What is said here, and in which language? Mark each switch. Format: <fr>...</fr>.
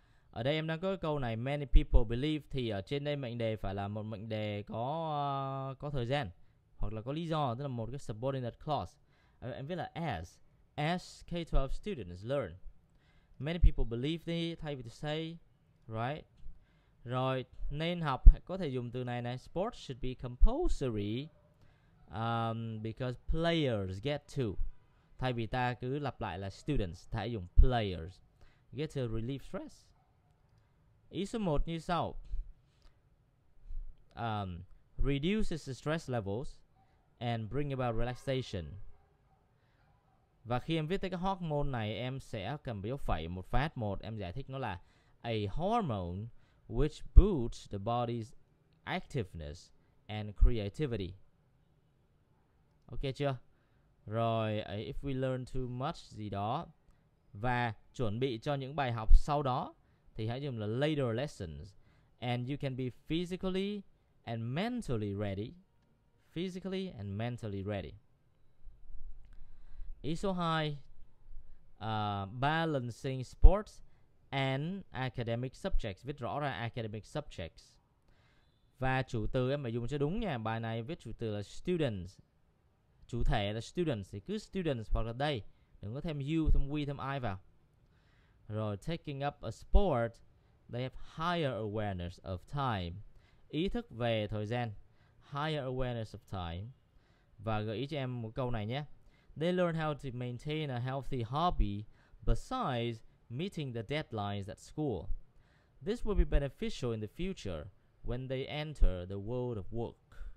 <vi>Ở đây em đang có cái câu này,</vi> <en>many people believe,</en> <vi>thì ở trên đây mệnh đề phải là một mệnh đề có thời gian hoặc là có lý do, tức là một cái</vi> <en>subordinate clause.</en> <vi>Em viết là</vi> <en>as K-12 students learn. Many people believe</en> <vi>thì thay vì</vi> <en>to say, right?</en> <vi>Rồi, nên học, có thể dùng từ này này,</vi> <en>sports should be compulsory because players get to.</en> <vi>Thay vì ta cứ lặp lại là students, ta hãy dùng players.</vi> <en>Get to relieve stress.</en> <vi>Ý số 1 như sau.</vi> <en>Reduces the stress levels and bring about relaxation.</en> <vi>Và khi em viết tới cái hormone này, em sẽ cầm dấu phẩy một phát một. Em giải thích nó là</vi> <en>a hormone which boosts the body's activeness and creativity. Ok chưa? Rồi, if we learn too much</en> <vi>gì đó. Và chuẩn bị cho những bài học sau đó, thì hãy dùng là</vi> <en>later lessons. And you can be physically and mentally ready. Physically and mentally ready.</en> <vi>Ý số 2,</vi> <en>balancing sports and academic subjects.</en> <vi>Viết rõ ra</vi> <en>academic subjects.</en> <vi>Và chủ từ em phải dùng cho đúng nha. Bài này viết chủ từ là students. Chủ thể là students thì cứ students hoặc là they. Đừng có thêm you, thêm we, thêm I vào.</vi> <en>Rồi, taking up a sport, they have higher awareness of time.</en> <vi>Ý thức về thời gian.</vi> <en>Higher awareness of time.</en> <vi>Và gợi ý cho em một câu này nhé.</vi> <en>They learn how to maintain a healthy hobby besides meeting the deadlines at school. This will be beneficial in the future when they enter the world of work.</en>